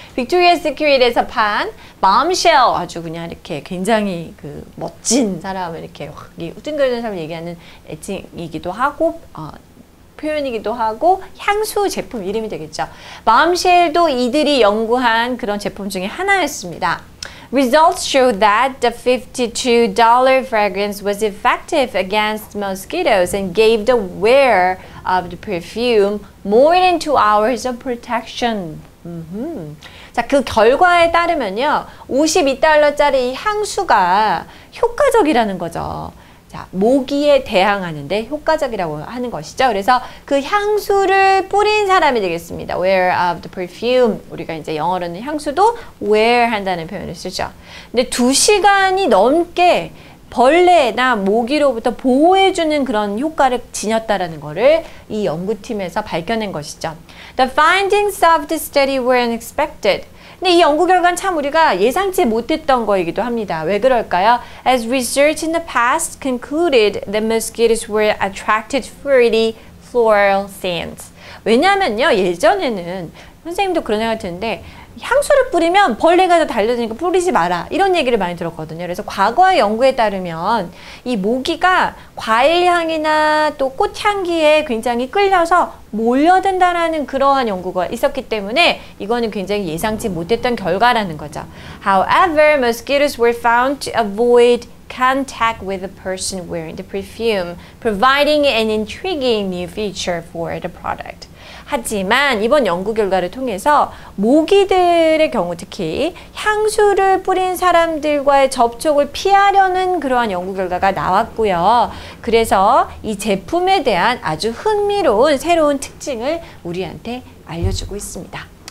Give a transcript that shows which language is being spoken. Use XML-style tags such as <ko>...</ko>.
<ko>빅토리아 시크릿에서 판 Bombshell 아주 그냥 이렇게 굉장히 그 멋진 사람을 이렇게 확 우뚱거리는 사람을 얘기하는 애칭이기도 하고 표현이기도 하고 향수 제품 이름이 되겠죠. Bombshell도 이들이 연구한 그런 제품 중에 하나였습니다.</ko> <en>Results show that the $52 fragrance was effective against mosquitoes and gave the wearer of the perfume more than 2 hours of protection. Mm-hmm.</en> <ko>자, 그 결과에 따르면요, 52달러짜리 향수가 효과적이라는 거죠. 자, 모기에 대항하는 데 효과적이라고 하는 것이죠. 그래서 그 향수를 뿌린 사람이 되겠습니다.</ko> <en>wear of the perfume.</en> <ko>우리가 이제 영어로는 향수도 wear 한다는 표현을 쓰죠. 근데 2시간이 넘게 벌레나 모기로부터 보호해주는 그런 효과를 지녔다라는 거를 이 연구팀에서 밝혀낸 것이죠.</ko> <en>The findings of the study were unexpected.</en> <ko>근데 이 연구 결과는 참 우리가 예상치 못했던 거이기도 합니다. 왜 그럴까요?</ko> <en>As research in the past concluded that mosquitoes were attracted to fruity floral scents.</en> <ko>왜냐면요, 예전에는 선생님도 그런 생각 드는데 향수를 뿌리면 벌레가 다 달려드니까 뿌리지 마라 이런 얘기를 많이 들었거든요. 그래서 과거의 연구에 따르면 이 모기가 과일향이나 또 꽃향기에 굉장히 끌려서 몰려든다라는 그러한 연구가 있었기 때문에 이거는 굉장히 예상치 못했던 결과라는 거죠.</ko> <en>However, mosquitoes were found to avoid contact with a person wearing the perfume, providing an intriguing new feature for the product.</en> <ko>하지만 이번 연구 결과를 통해서 모기들의 경우 특히 향수를 뿌린 사람들과의 접촉을 피하려는 그러한 연구 결과가 나왔고요. 그래서 이 제품에 대한 아주 흥미로운 새로운 특징을 우리한테 알려주고 있습니다.</ko>